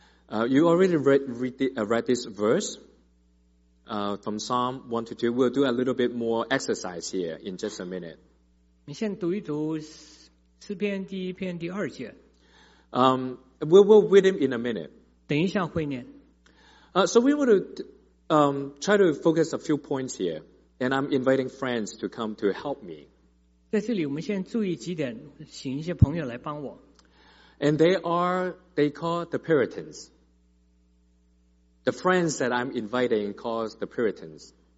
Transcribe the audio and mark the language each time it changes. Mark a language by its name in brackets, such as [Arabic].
[English] You already read this verse from Psalm 1 to 2. We'll do a little bit more exercise here in just a minute. [Chinese] 你先读一读诗篇第一篇第二节。 [English] We'll read him in a minute. [Chinese] 等一下会念。 [English] So we want to try to focus a few points here. And I'm inviting friends to come to help me. [Chinese] 在这里我们先注意几点，请一些朋友来帮我。 [English] And they call the Puritans. The friends that I'm inviting calls the Puritans.